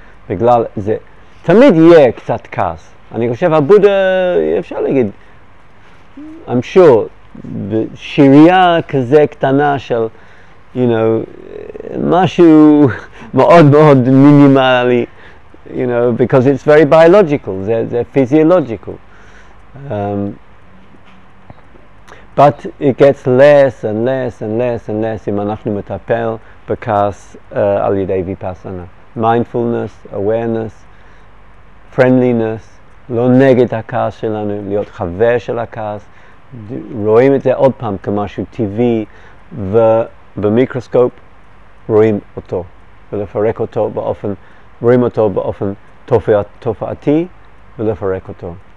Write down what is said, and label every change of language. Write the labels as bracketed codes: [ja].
[he] בגלל זה תמיד יהיה קצת כעס. אני חושב הבודה, אפשר להגיד, [en] I'm sure, [he] שירייה כזה קטנה של, [en] you know, [he] משהו מאוד מאוד מינימלי, you know, [en] because it's very biological, [he] זה physiological. [en] But it gets less and less and less and less [he] אם אנחנו מטפל בכעס על ידי ויפאסנה. [en] Mindfulness, awareness, friendliness, [he] לא נגד הכעס שלנו, להיות חבר של הכעס. רואים את זה עוד פעם כמשהו טבעי, ובמיקרוסקופ רואים אותו. ולפרק אותו באופן, רואים אותו באופן תופעתי ולפרק אותו.